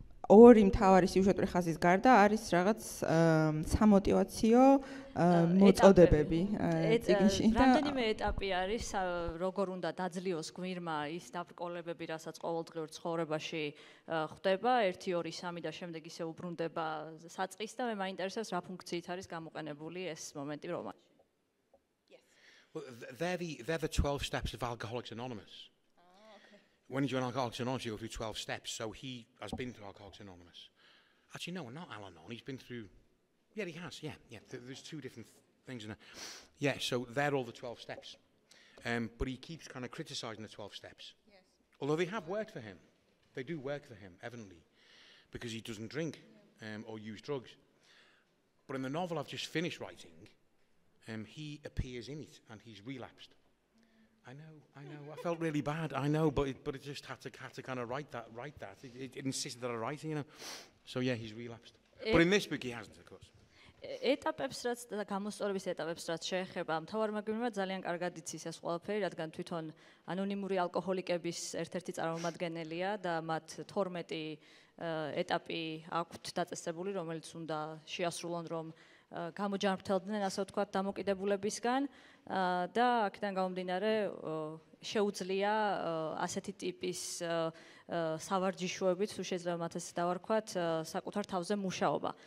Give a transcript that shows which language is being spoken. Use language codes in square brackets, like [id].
[ka] ორი მთავარი სიუჟეტური ხაზის გარდა არის რაღაც სამოტივაციო მოწოდებები ციგნში და რამდენიმე ეტაპი არის როგორ უნდა დაძლიოს გმირმა ის დაბრკოლებები რასაც ყოველდღიურ ცხოვრებაში ხდება 1 2 3 და შემდეგ ისე უბრუნდება საწყის და მე მაინტერესებს რა ფუნქციით არის გამოყენებული ეს მომენტი რომანში. [en] There are 12 steps of Alcoholics Anonymous. When you join Alcoholics Anonymous, you go through 12 steps. So he has been through Alcoholics Anonymous. Actually, no, not Al-Anon. He's been through... Yeah, he has, yeah. There's two different things in there. Yeah, so they're all the 12 steps. But he keeps kind of criticising the 12 steps. Yes. Although they have worked for him. They do work for him, evidently. Because he doesn't drink or use drugs. But in the novel I've just finished writing, he appears in it and he's relapsed. I know. I felt really bad. I know, but it just had to kind of write that. It insisted that I write it. So yeah, he's relapsed. But in this book, he hasn't, of course. [ka] ეტაპებს რაც და გამოსწორების ეტაპებს რაც შეეხება მთავარმა გმირმა ძალიან კარგად იცის ეს ყველაფერი, რადგან თვითონ ანონიმური ალკოჰოლიკების ერთ-ერთი წარმომადგენელია და მათ 12 ეტაპი აქვთ დაწესებული, რომელიც უნდა შეასრულონ, რომ გამოჯანმრთელდნენ, ასე ვთქვათ, დამოკიდებულებისგან და აქედან გამომდინარე შეუძლია ასეთი ტიპის სავარჯიშოებით, თუ შეიძლება მათ ეს დავარქვათ, საკუთარ თავზე მუშაობა.